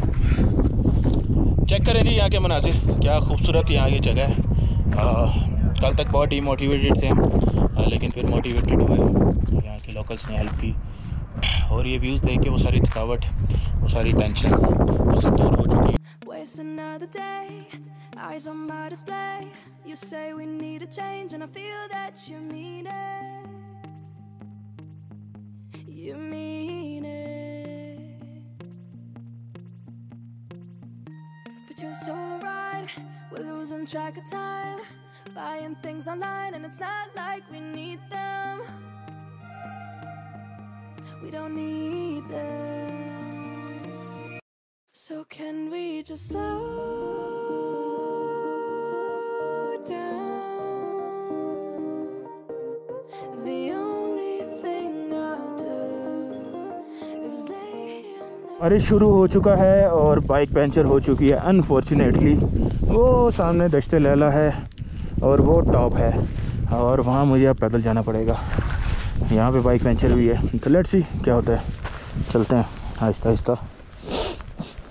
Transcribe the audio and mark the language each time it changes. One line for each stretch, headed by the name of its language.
Hindi: के मनाजिर क्या खूबसूरत यहाँ की जगह है, कल तक बहुत डीमोटिवेटेड थे हम, लेकिन फिर मोटिवेटेड हुए, यहाँ के लोकल्स ने हेल्प की, और ये व्यूज़ देख के वो सारी थकावट, वो सारी टेंशन, वो सब दूर हो चुकी है।
English: Eyes on my display, you say we need a change and I feel that you mean it. You mean it. You're so right, we're losing track of time, buying things online and it's not like we need them, we don't need them, so can we just slow down, the only thing I'll do is lay here.
Hindi: अरे शुरू हो चुका है और bike puncture हो चुकी है unfortunately, वो सामने दश्ते लैला है और वो टॉप है, और वहाँ मुझे अब पैदल जाना पड़ेगा, यहाँ पे बाइक पंचर हुई है, तो लेट्स सी क्या होता है, चलते हैं आहिस्ता आहिस्ता।